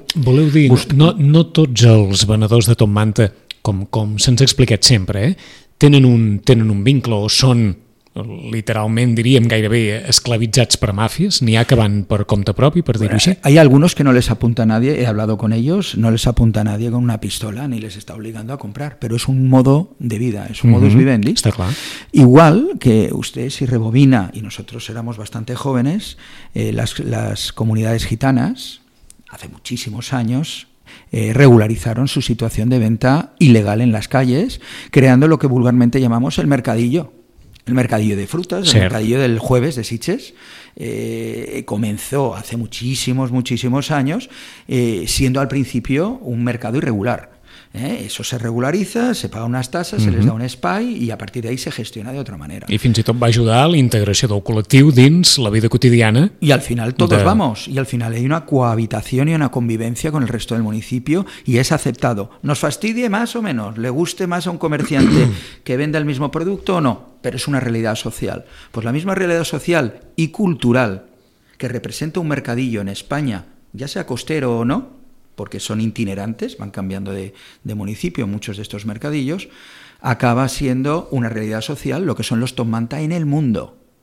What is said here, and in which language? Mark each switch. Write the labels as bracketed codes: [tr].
[ca] Voleu dir, no tots els venedors de top manta, com se'ns ha explicat sempre, tenen un vincle, o són, literalment diríem, gairebé esclavitzats per màfies, n'hi ha que van per compte propi, per dir-ho així? [es] Hay algunos que no les apunta a nadie, he hablado con ellos, no les apunta a nadie con una pistola ni les está obligando a comprar, pero es un modo de vida, es un modus vivendi. [ca] Está clar. [es] Igual que usted, si rebobina, y nosotros éramos bastante jóvenes, las comunidades gitanas, hace muchísimos años, regularizaron su situación de venta ilegal en las calles, creando lo que vulgarmente llamamos el mercadillo. El mercadillo de frutas, el mercadillo del jueves de Sitges, comenzó hace muchísimos años, siendo al principio un mercado irregular. Eso se regulariza, se paga unas tasas, se les da [ca] un espai i [es] a partir d'ahí se gestiona de otra manera. [ca] I fins i tot va ajudar a la integració del col·lectiu dins la vida quotidiana. I al final [es] todos vamos, y al final hay una cohabitación y una convivencia con el resto del municipio y es aceptado. Nos fastidie más o menos, le guste más a un comerciante que venda el mismo producto o no, pero es una realidad social. Pues la misma realidad social y cultural que representa un mercadillo en España, ya sea costero o no, porque son itinerantes, van cambiando de municipio muchos de estos mercadillos, acaba siendo una realidad social lo que son los Top Manta en el mundo.